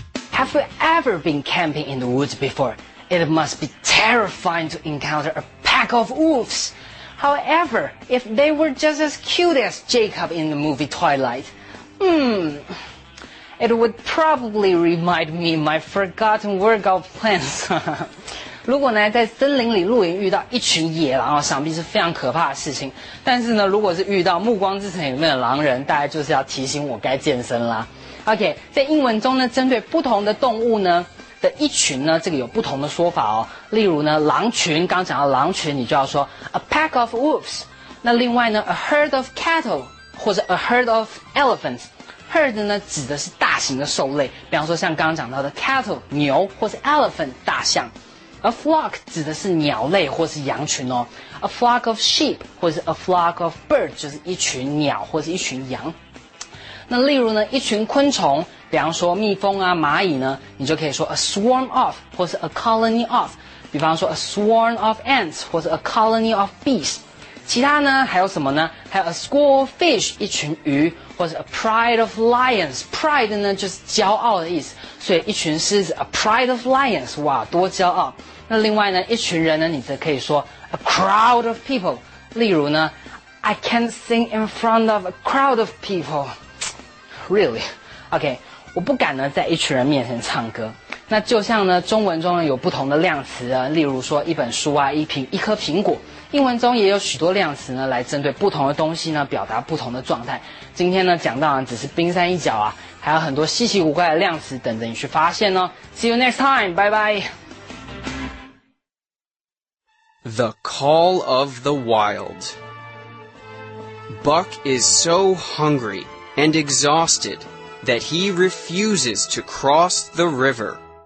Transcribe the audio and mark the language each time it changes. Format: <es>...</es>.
<en>Have you ever been camping in the woods before? It must be terrifying to encounter a pack of wolves. However, if they were just as cute as Jacob in the movie Twilight, it would probably remind me of my forgotten workout plans.</en> <zh>如果呢在森林里露营遇到一群野狼，想必是非常可怕的事情。但是呢，如果是遇到《暮光之城》里面的狼人，大概就是要提醒我该健身啦。 OK， 在英文中呢，针对不同的动物呢的一群呢，这个有不同的说法哦。例如呢，狼群，刚讲到狼群，你就要说</zh> <en>a pack of wolves。</en> <zh>那另外呢</zh> <en>，a herd of cattle。</en> <zh>或者</zh> <en>a herd of elephants，</en> <zh>herd 呢指的是大型的兽类，比方说像刚刚讲到的 cattle 牛，或是 elephant 大象。 a flock 指的是鸟类或是羊群哦。</zh> <en>a flock of sheep</en> <zh>或是</zh> <en>a flock of birds</en> <zh>就是一群鸟或是一群羊。那例如呢一群昆虫，比方说蜜蜂啊蚂蚁呢，你就可以说 a swarm of 或是 a colony of， 比方说</zh> <en>a swarm of ants</en> <zh>或是</zh> <en>a colony of bees。</en> <zh>其他呢还有什么呢，还有</zh> <en>a school of fish</en> <zh>一群鱼，或者</zh> <en>a pride of lions，</en> <zh>pride 呢就是骄傲的意思，所以一群狮子 a pride of lions， 哇多骄傲。那另外呢一群人呢你则可以说</zh> <en>a crowd of people，</en> <zh>例如呢</zh> <en>I can't sing in front of a crowd of people， really OK，</en> <zh>我不敢呢在一群人面前唱歌。那就像呢中文中有不同的量词啊，例如说一本书啊，一颗苹果，英文中也有许多量词呢来针对不同的东西呢表达不同的状态。今天呢讲到呢只是冰山一角啊，还有很多稀奇古怪的量词等着你去发现哦。</zh> <en>See you next time，</en> <zh>拜拜。</zh> <en>The Call of the Wild. Buck is so hungry and exhausted that he refuses to cross the river.</en>